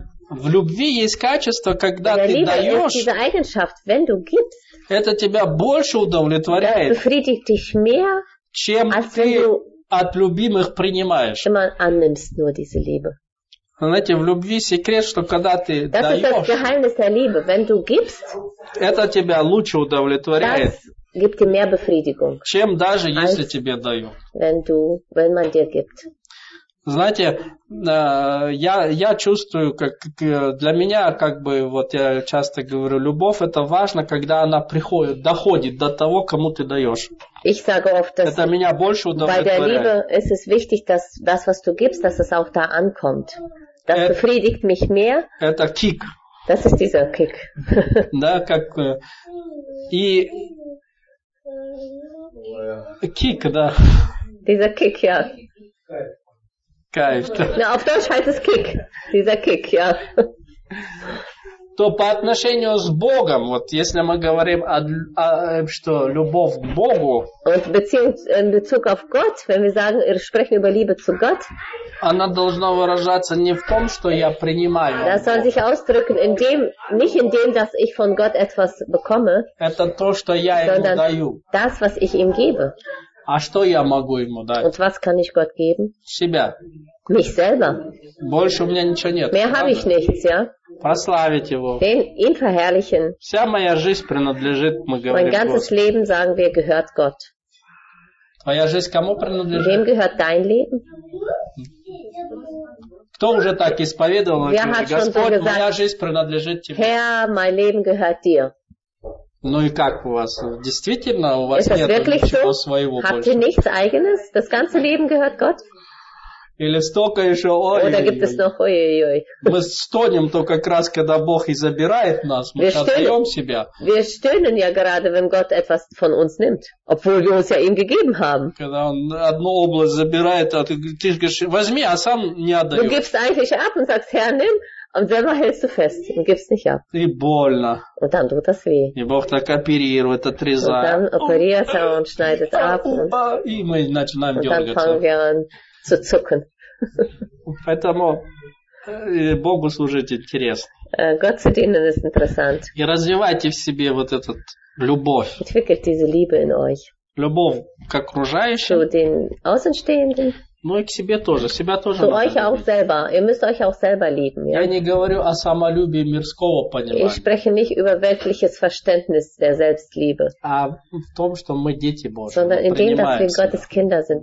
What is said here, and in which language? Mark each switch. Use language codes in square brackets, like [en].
[ru] В любви есть качество, когда ты [de] Liebe [ru] даешь. [de] Ist diese Eigenschaft, wenn du gibst, [ru] это тебя больше удовлетворяет, [de] dich mehr, [ru] чем [de] als [ru] ты [de] wenn du [ru] от любимых принимаешь. [de] Man annimmst nur diese Liebe. [ru] Знаете, в любви секрет, что когда ты [de] das [ru] даешь, [de] ist das Geheimnis der Liebe. Wenn du gibst, [ru] это тебя лучше удовлетворяет, [de] das gibt dir mehr Befriedigung, [ru] чем даже als если тебе даю. [de] Wenn du, wenn man dir gibt. [ru] Знаете, я чувствую, как для меня, как бы, вот я часто говорю, любовь это важно, когда она приходит, доходит до того, кому ты даешь. [de] Ich sage oft, dass [ru] это меня больше удовлетворяет. [de] Bei der Liebe ist es wichtig, dass das, was du gibst, dass es auch da ankommt. Das befriedigt mich mehr. [ru] Это кик. [de] Das ist dieser Kick. [ru] Да, как и кик, да. [de] Dieser Kick, ja. [ru] Кайф. [de] Ну, auf Deutsch heißt es Kick. Dieser Kick, ja. [ru] То по отношению с Богом, вот если мы говорим что любовь к Богу. [de] Und in Bezug auf Gott, wenn wir sagen, wir sprechen über Liebe zu Gott. [ru] Она должна выражаться не в том, что я принимаю. [de] Das soll sich ausdrücken in dem, nicht in dem, dass ich von Gott etwas bekomme. [ru] Это то, что я ему даю. [de] Das, was ich ihm gebe. [ru] А что я могу ему дать? [de] Und was kann ich Gott geben? [ru] Себя. [de] Mich selber. [ru] Больше у меня ничего нет. [de] Mehr habe ich nichts, ja? [ru] Прославить его. [de] Den, ihn verherrlichen. [ru] Вся моя жизнь принадлежит, мы говорим. [de] Mein ganzes Leben, sagen wir, gehört Gott. [ru] Твоя жизнь кому принадлежит? [de] Wem gehört dein Leben? [ru] Кто уже так исповедовал? [de] Wer hat schon so gesagt? [ru] Моя жизнь принадлежит тебе. [de] Herr, mein Leben gehört dir. [ru] Ну и как у вас? Действительно, у вас нет ничего своего [de] Habt [ru] больше? [de] Habt ihr nichts eigenes? Das ganze Leben gehört Gott? [ru] Или столько еще, ой-ой-ой. Мы стонем то как раз, когда Бог и забирает нас, мы отдаем себя. [de] Wir stöhnen ja gerade, wenn Gott etwas von uns nimmt, obwohl wir uns ja ihm gegeben haben. [ru] Когда он одну область забирает, а ты говоришь, возьми, а сам не отдаю. [de] Du gibst eigentlich ab und sagst, Herr, nimm. Und selber hältst du fest und gibst nicht ab. [ru] И больно. [de] Und dann tut das weh. [ru] И Бог так оперирует, отрезает. [de] Und dann operiert er und schneidet ab. [ru] И мы начинаем дергаться. [de] Und dann fangen wir an zu zucken. [ru] Поэтому Богу служить интересно. [de] Gott zu dienen ist interessant. [ru] И развивайте в себе вот этот любовь. [de] Entwickelt diese Liebe in euch. [ru] Любовь к окружающим. [de] Zu den Außenstehenden. [ru] Ну и к себе тоже, себя тоже. [de] Zu euch auch selber. Ihr müsst euch auch selber lieben, ja? [ru] Я не говорю о самолюбии мирского понимания. [de] Ich spreche nicht über weltliches Verständnis der Selbstliebe. [ru] А в том, что мы дети Божьи. [de] Sondern in dem, dass wir Gottes Kinder sind.